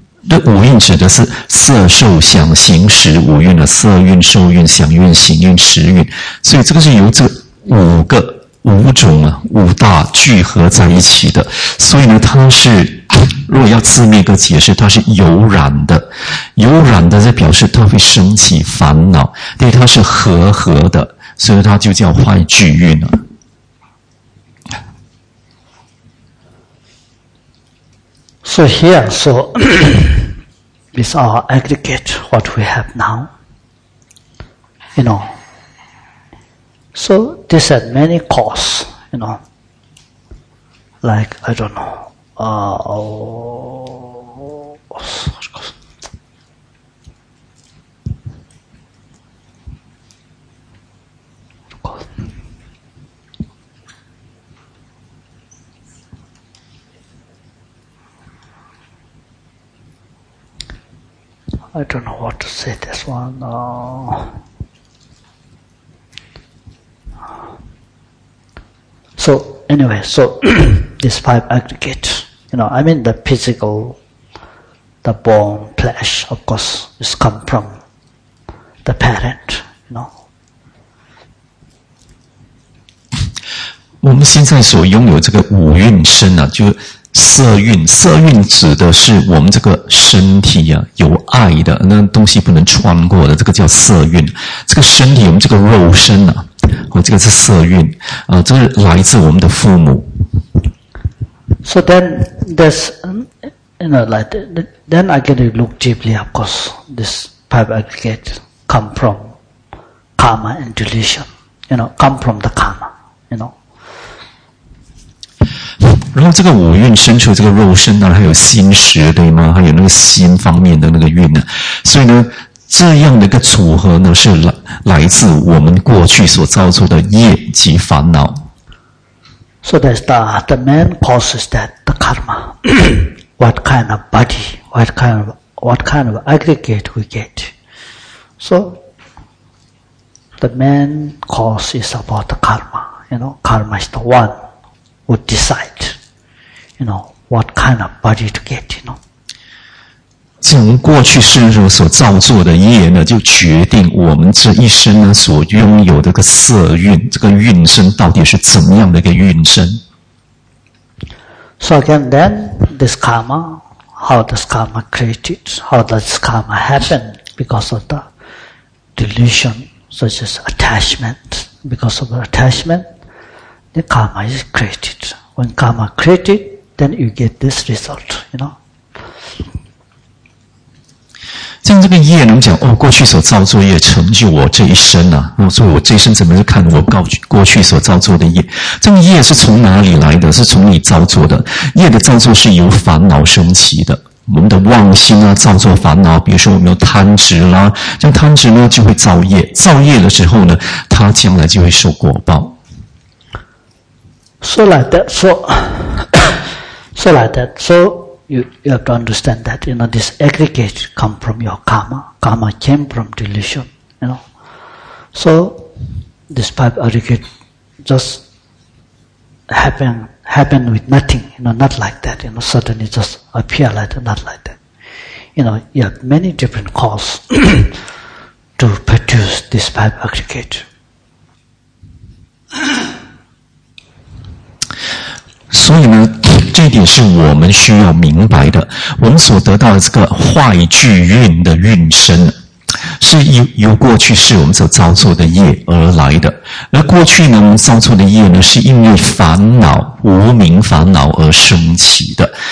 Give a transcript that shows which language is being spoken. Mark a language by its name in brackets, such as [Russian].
[Chinese] 那五蕴指的是色受想行识五蕴的色蕴受蕴想蕴行蕴识蕴，所以这个是由这五个五种啊五大聚合在一起的，所以呢它是如果要字面个解释，它是有染的，有染的在表示它会升起烦恼，因为它是和合的，所以它就叫坏聚蕴了。 [English] So here, so with our aggregate, what we have now, you know. So this has many cause, you know. Like, I don't know, I don't know what to say this one. No. So, anyway, so these five aggregates, you know, I mean the physical, the bone, flesh, of course, is come from the parent, you know. [Chinese] 我们现在所拥有这个五蕴身啊，就色蕴，色蕴指的是我们这个身体啊，有爱的，那东西不能穿过的，这个叫色蕴。这个身体，我们这个肉身啊，这个是色蕴啊，这是来自我们的父母。 [English] So then, there's, you know, like, then I get to look deeply, of course, this five aggregate come from karma and delusion, you know, come from the karma, you know. [Chinese] 然后这个五蕴生出这个肉身呢，还有心识对吗？还有那个心方面的那个蕴呢，所以呢，这样的一个组合呢，是来自我们过去所造作的业及烦恼。 [English] So that's the main cause is that the karma. What kind of body? What kind of aggregate we get? So the main cause is about the karma. You know, karma is the one who decide. You know, what kind of body to get, you know. [Chinese] 从过去世人所造作的业呢，就决定我们这一生呢所拥有的个色蕴，这个蕴身到底是怎么样的一个蕴身。 [English] So again, then, this karma, how does karma create it? How does karma happen? Because of the delusion, such as attachment. Because of the attachment, the karma is created. When karma created,Then you get this result, you know. [Chinese] 像这个业，我们讲哦，过去所造作业成就我这一生啊，那所以我这一生怎么是看我过去所造作的业？这个业是从哪里来的？是从你造作的。业的造作是由烦恼升起的。我们的妄心啊，造作烦恼，比如说我们有贪执啦，像贪执呢就会造业，造业了之后呢，他将来就会受果报。 [English] So like that, so. So like that, so you have to understand that, you know, this aggregate come from your karma. Karma came from delusion, you know. So, this five aggregate just happen with nothing, you know, not like that, you know, suddenly just appear like that, not like that. You know, you have many different causes to produce this five aggregate. [Chinese] 所以呢这一点是我们需要明白的，我们所得到的这个坏聚蕴的蕴身是由过去是我们所造作的业而来的，而过去呢我们造作的业呢是因为烦恼无明烦恼而升起的，